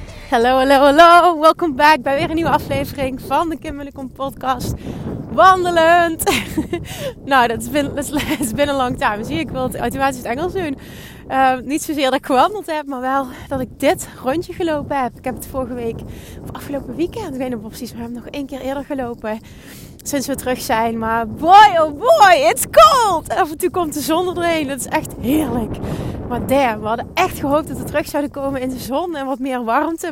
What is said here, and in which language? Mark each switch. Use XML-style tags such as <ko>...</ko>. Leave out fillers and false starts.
<nl>Hallo, hallo, hallo. Welkom back bij weer een nieuwe aflevering van de Kim Munnekom podcast. Wandelend. Nou, dat</nl> <en>is been a long time.</en> <nl>Zie, ik wil het automatisch het Engels doen. Niet zozeer dat ik gewandeld heb, maar wel dat ik dit rondje gelopen heb. Ik heb het vorige week, of afgelopen weekend, ik weet niet precies, maar we hebben nog één keer eerder gelopen. Sinds we terug zijn, maar</nl> <en>boy oh boy, it's cold!</en> <nl>Af en toe komt de zon erdoorheen, dat is echt heerlijk. Maar damn, we hadden echt gehoopt dat we terug zouden komen in de zon en wat meer warmte.</nl>